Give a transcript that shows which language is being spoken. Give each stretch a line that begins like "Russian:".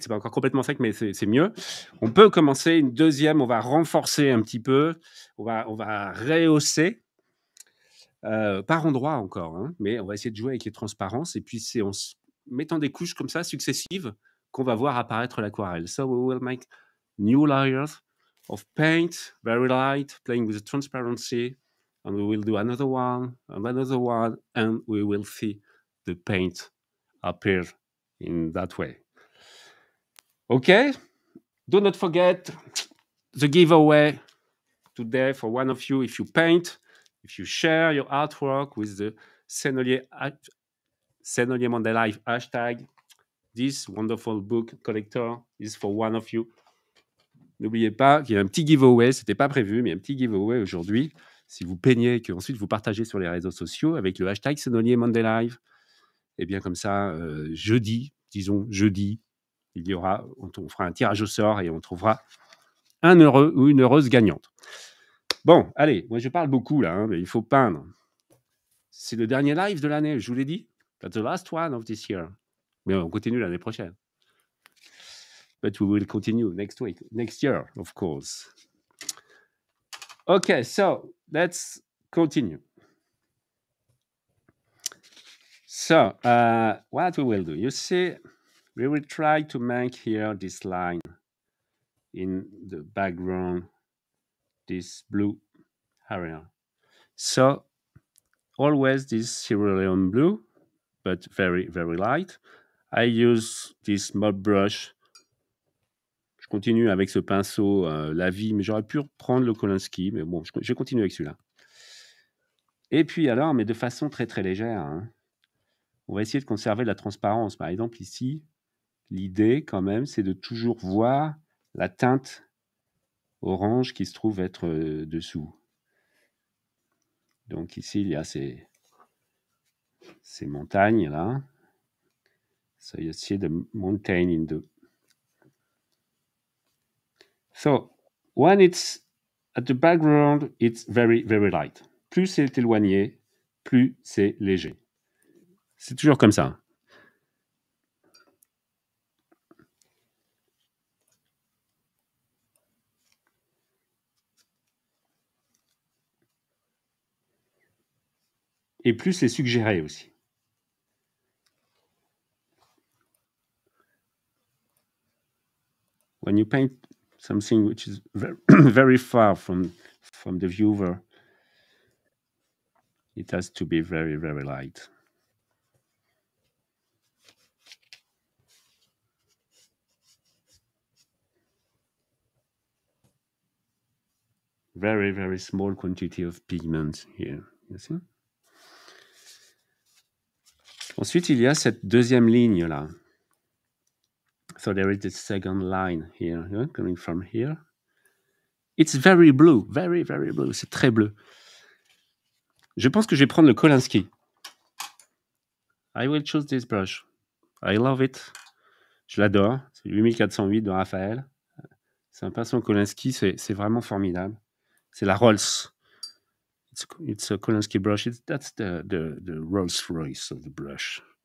French: Ce n'est pas encore complètement sec, mais c'est mieux. On peut commencer une deuxième. On va renforcer un petit peu. On va rehausser. par endroit encore, hein, mais on va essayer de jouer avec les transparences, et puis c'est en mettant des couches comme ça, successives, qu'on va voir apparaître l'aquarelle.
English: So we will make new layers of paint, very light, playing with the transparency, and we will do another one, and another one, and we will see the paint appear in that way. Okay? Do not forget the giveaway today for one of you. If you paint, if you share your artwork with the Sennelier Monday Live hashtag, this wonderful book collector is for one of you.
French: N'oubliez pas qu'il y a un petit giveaway, ce n'était pas prévu, mais un petit giveaway aujourd'hui. Si vous peignez et qu'ensuite vous partagez sur les réseaux sociaux avec le hashtag Sennelier Monday Live, et bien comme ça, jeudi, il y aura, on fera un tirage au sort et on trouvera un heureux ou une heureuse gagnante. Bon, allez, moi je parle beaucoup là, hein, mais il faut peindre. C'est le dernier live de l'année, je vous l'ai dit.
English: That's the last one of this year.
French: Mais on continue l'année prochaine.
English: But we will continue next week, next year, of course. Okay, so let's continue. So, what we will do, you see, we will try to make here this line in the background, this blue area. So, always this cerulean blue, but very, very light. I use this mop brush.
French: Je continue avec ce pinceau Lavie, mais j'aurais pu reprendre le Kolinsky, mais bon, je continue avec celui-là. Et puis alors, mais de façon très, très légère, hein, on va essayer de conserver la transparence. Par exemple, ici, l'idée, quand même, c'est de toujours voir la teinte orange qui se trouve être dessous. Donc ici, il y a ces montagnes, là.
English: So you see the mountain in the... So, when it's at the background, it's very, very light.
French: Plus c'est éloigné, plus c'est léger. C'est toujours comme ça. Et plus c'est suggéré aussi.
English: When you paint something which is very far from the viewer, it has to be very, very light. Very, very small quantity of pigment here, you see?
French: Ensuite, il y a cette deuxième ligne là.
English: So there is the second line here, yeah, coming from here. It's very blue, very, very blue.
French: C'est très bleu. Je pense que je vais prendre le Kolinsky.
English: I will choose this brush. I love it.
French: Je l'adore. C'est 8408 de Raphaël. C'est un pinceau Kolinsky. C'est vraiment formidable. C'est la Rolls.
English: It's a Kolinsky brush. That's the Rolls Royce of the brush.